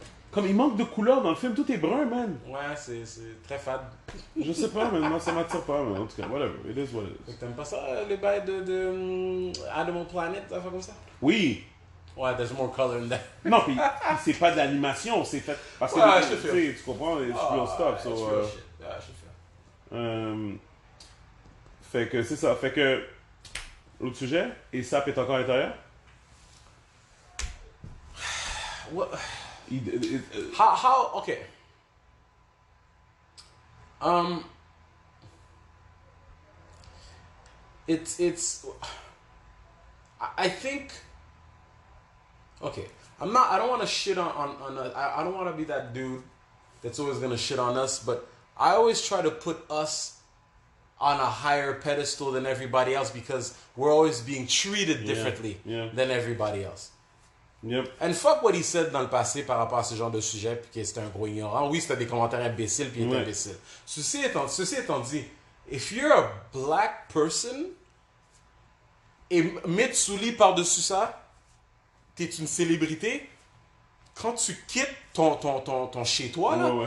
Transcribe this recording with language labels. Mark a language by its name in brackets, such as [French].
[French] Comme, il manque de couleur dans le film. Tout est brun, man. Ouais, c'est très fade. Je sais pas, mais moi, ça m'attire pas, mais en tout cas, whatever. [English] It is what it is. [French] Donc, t'aimes pas ça, les bails de Animal Planet, ça fait comme ça? Oui. [English] Ouais, there's more color in that. [French] Non, pis c'est pas de l'animation, c'est fait. Parce que ouais, tu sais, tu comprends, [English] it's real stuff, so. It's real shit. [French] Ouais, je fais. Fait que c'est ça, fait que. L'autre sujet, ASAP est encore à l'intérieur? [English] What? How? Ok. It's. I think. Okay, I'm not. I don't want to shit on us. I don't want to be that dude that's always gonna shit on us. But I always try to put us on a higher pedestal than everybody else because we're always being treated differently than everybody else. Yep. And fuck what he said [French] dans le passé par rapport à ce genre de sujet, puis que c'était un gros ignorant. Oui, c'était des commentaires imbéciles, puis il était imbécile. Ceci étant dit, [English] if you're a black person, [French] et Mitsouli par-dessus ça. T'es une célébrité, quand tu quittes ton chez toi, là,